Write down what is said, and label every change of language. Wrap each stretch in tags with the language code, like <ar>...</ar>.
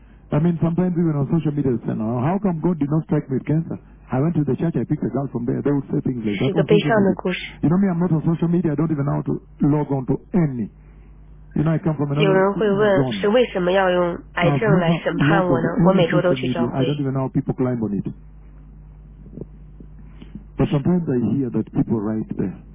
<en>I mean, sometimes even on social media, they say, "How come God did not strike me with cancer? I went to the church, I picked a girl from there." They would say things like that.</en> <zh>是一个悲伤的故事。</zh> <en>You know me, I'm not on social media. I don't even know how to log on to any. You know, I come from another.</en> <zh>有人会问，是为什么要用癌症来审判我呢？我每周都去教会。</zh> <en>I don't even know how people climb on it. But sometimes I hear that people write there.</en>